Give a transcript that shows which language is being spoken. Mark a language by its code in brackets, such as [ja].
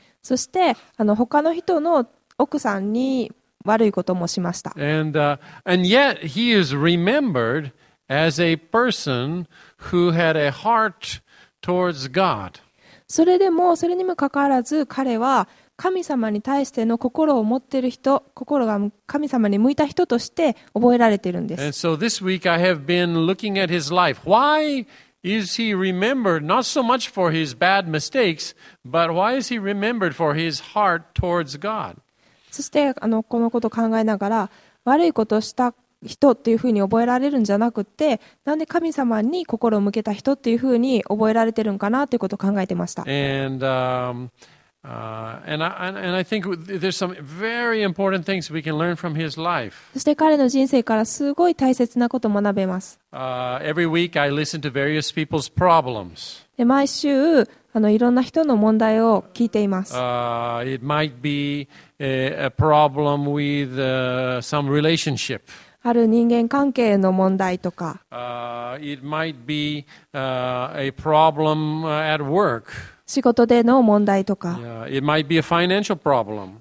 [ja] そして他の人の奥さんに悪いこともしました。 [en] And yet he is remembered as a person who had a heart towards God. [ja] それでもそれにもかかわらず彼は神様に対しての心を持っている人、心が神様に向いた人として覚えられているんです。 [en] And so this week I have been looking at his life. Why is he remembered not so much for his bad mistakes, but why is he remembered for his heart towards God? [ja] そしてこのことを考えながら、悪いことをした人っていうふうに覚えられるんじゃなくて、なんで神様に心を向けた人っていうふうに覚えられてるんかなということを考えてました。 [en] And, And I think there's some very important things we can learn from his life. [ja] そして彼の人生からすごい大切なことを学べます。 [en] Every week I listen to various people's problems. [ja] 毎週いろんな人の問題を聞いています。 [en] It might be a problem with some relationship. [ja] ある人間関係の問題とか。 [en] It might be a problem at work. [ja] 仕事での問題とか、 [en] yeah, it might be a financial problem.